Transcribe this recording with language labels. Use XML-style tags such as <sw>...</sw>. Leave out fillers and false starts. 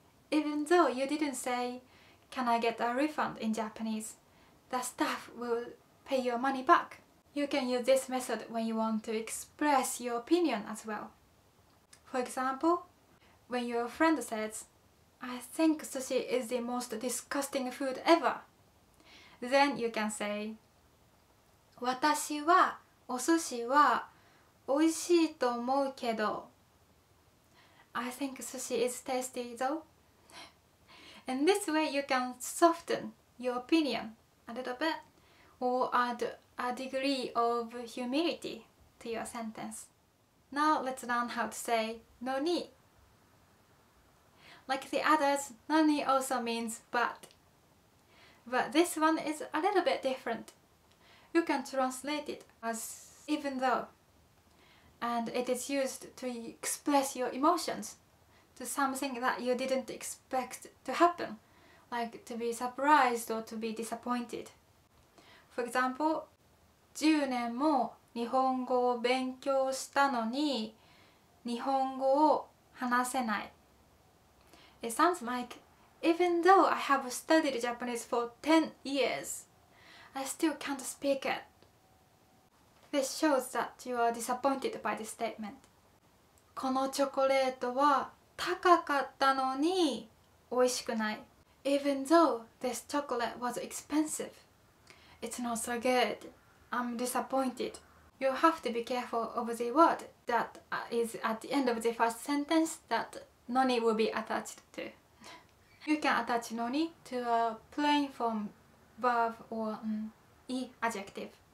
<en>Even though you didn't say, can I get a refund in Japanese, the staff will pay your money back. You can use this method when you want to express your opinion as well. For example, when your friend says, I think sushi is the most disgusting food ever. Then you can say,</en> <ja>私はお寿司は美味しいと思うけど</ja> <en>I think sushi is tasty though. And this way you can soften your opinion a little bit or add a degree of humility to your sentence. Now let's learn how to say no ni. Like the others, no ni also means but. But this one is a little bit different. You can translate it aseven though, and it is used to express your emotions to something that you didn't expect to happen, like to be surprised or to be disappointed. For example,</en> <ja>10年も日本語を勉強したのに日本語を話せない。</ja> <en>It sounds like, even though I have studied Japanese for 10 years, I still can't speak it. This shows that you are disappointed by this statement.</en> <ja>このチョコレートは高かったのに美味しくない。</ja> <en>Even though this chocolate was expensive, it's not so good. I'm disappointed. You have to be careful of the word that is at the end of the first sentence that noni will be attached to. You can attach noni to a plain form verb or i adjective.</en>